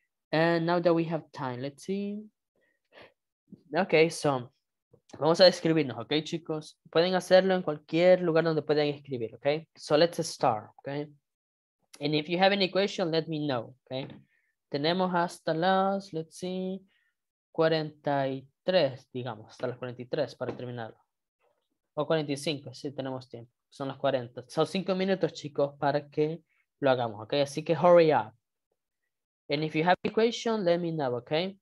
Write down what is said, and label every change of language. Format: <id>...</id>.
<en>And now that we have time, let's see.</en> <es>Okay, so vamos a describirnos, okay, chicos? Pueden hacerlo en cualquier lugar donde puedan escribir, okay?</es> <en>So let's start, okay? And if you have any question, let me know, okay?</en> <es>Tenemos hasta las,</es> <en>let's see,</en> <es>43, digamos, hasta las 43 para terminarlo. O 45, sí, tenemos tiempo. Son las 40. Son 5 minutos, chicos, para que lo hagamos, ¿ok? Así que</es> <en>hurry up. And if you have a question, let me know, ¿ok?</en>